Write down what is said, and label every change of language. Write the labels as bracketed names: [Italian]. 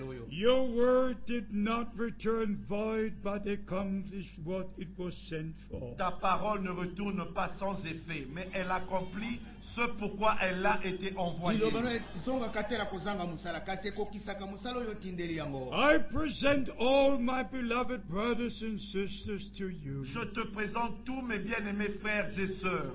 [English] Your word did not return void, but accomplished what it was sent for. [French] Ta parole ne retourne pas sans effet, mais elle accomplit ce pourquoi elle a été envoyée. [English] I present all my beloved brothers and sisters to you. [French] Je te présente tous mes bien-aimés frères et sœurs.